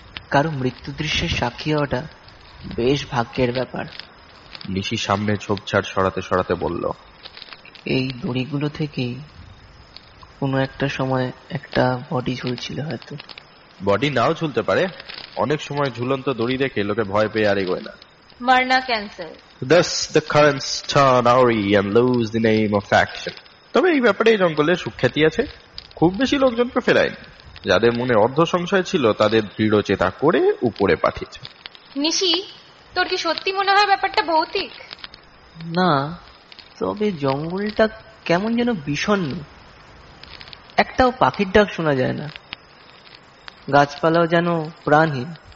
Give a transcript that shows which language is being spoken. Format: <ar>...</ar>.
<bn>কারো মৃত্যু দৃশ্যের সাক্ষী হওয়াটা বেশ ভাগ্যের ব্যাপার। নিশি সামনে ঝোপঝাড় সরাতে সরাতে বলল, এই দড়িগুলো থেকেই কোনো একটা সময় একটা বডি ঝুলছিল হয়তো। বডি নাও ঝুলতে পারে, অনেক সময় ঝুলন্ত দড়ি দেখে লোকে ভয় পেয়ে আর এগোয় না। মারনা cancer.</bn> <en>Thus the currents turn awry and lose the name of action.</en> <bn>তবে এই ব্যাপারে জঙ্গলে সুখ্যাতি আছে, খুব বেশি লোকজনকে ফেরায়নি, যাদের মনে অর্ধ সংশয় ছিল তাদের দৃঢ় চেতা করে উপরে পাঠিয়েছে। নিশি, তোর কি সত্যি মনে হয় ব্যাপারটা ভৌতিক? না, তবে জঙ্গলটা কেমন যেন বিষণ্ন, একটাও পাখির ডাক শোনা যায় না, গাছপালাও যেন প্রাণহীন।</bn>